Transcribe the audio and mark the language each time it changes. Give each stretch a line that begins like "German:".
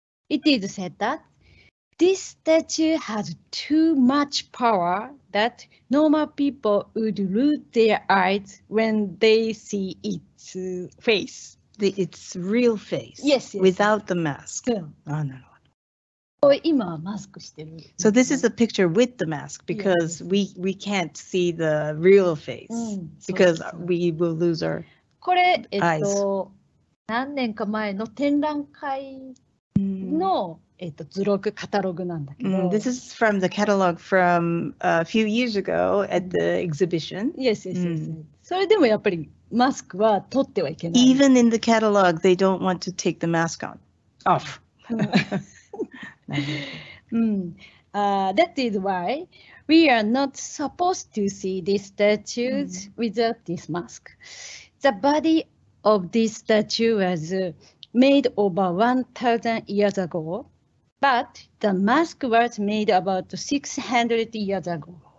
English: It is said that this statue has too much power that normal people would lose their eyes when they see its face. Its real face? Yes. Without the mask? Yeah. Oh, so this is a picture with the mask because we can't see the real face because we will lose our eyes.
Japanese: 何年か前の展覧会の図録カタログなんだけど。
English: This is from the catalog from a few years ago at the exhibition. Yes, yes, yes.
Japanese: それでもやっぱりマスクは取ってはいけない。
English: Even in the catalog, they don't want to take the mask on. Off. That is why we are not supposed to see these statues without this mask. The body of this statue was made over 1,000 years ago, but the mask was made about 600 years ago.